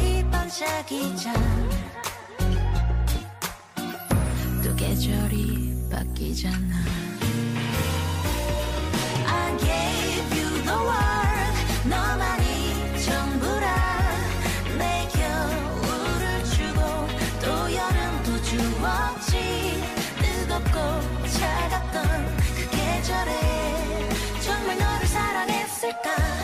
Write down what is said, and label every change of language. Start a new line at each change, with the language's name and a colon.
Korean: 반짝이자 또 계절이 바뀌잖아.
English: I gave you the world,
Korean: 너만이 전부라. 내 겨울을 주고 또 여름도 주었지. 뜨겁고 차갑던 그 계절에 정말 너를 사랑했을까.